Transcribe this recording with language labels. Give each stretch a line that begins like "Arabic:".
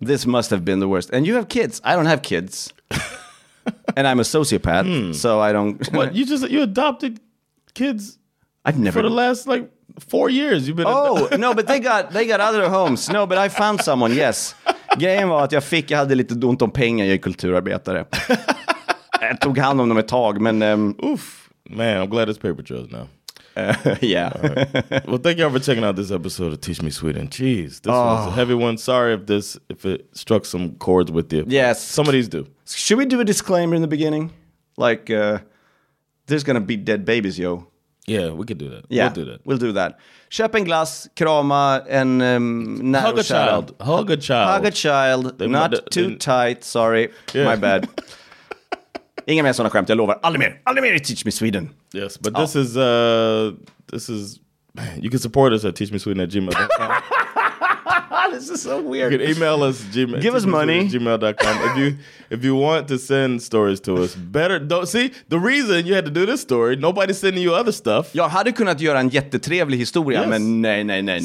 English: This must have been the worst. And you have kids. I don't have kids. And I'm a sociopath. So I don't... What, you adopted kids? I've never... For the last, like, 4 years you've been... Oh, no, but they got other homes. No, but I found someone, yes.
Swedish: Grejen var att jag hade lite ont om pengar. Jag är kulturarbetare. Jag tog hand om dem ett tag, men...
English: Oof, man, I'm glad it's paper trails now. Yeah. Right. Well, thank you all for checking out this episode of Teach Me Sweden. Jeez, this was a heavy one. Sorry if it struck some chords with you. Yes. Some of these do. Should we do a disclaimer in the beginning? Like, there's gonna be dead babies, yo. Yeah, we could do that. Yeah, we'll do that. We'll do that.
Swedish: Köp en glass, krama en när
English: hug a child. Hug a child. Hug a child. They not might, too tight, sorry. Yeah. My bad.
Swedish: Inga mer såna skämt, jag lovar. Aldrig mer i Teach Me Sweden.
English: Yes, but this is... you can support us at teachmesweden@gmail.com. This is so weird. You can email us. Give us money. gmail.com. If you want to send stories to us, better... Don't, see, the reason you had to do this story, nobody's sending you other stuff.
Swedish: Jag hade kunnat göra en jättetrevlig historia, yes. Men nej.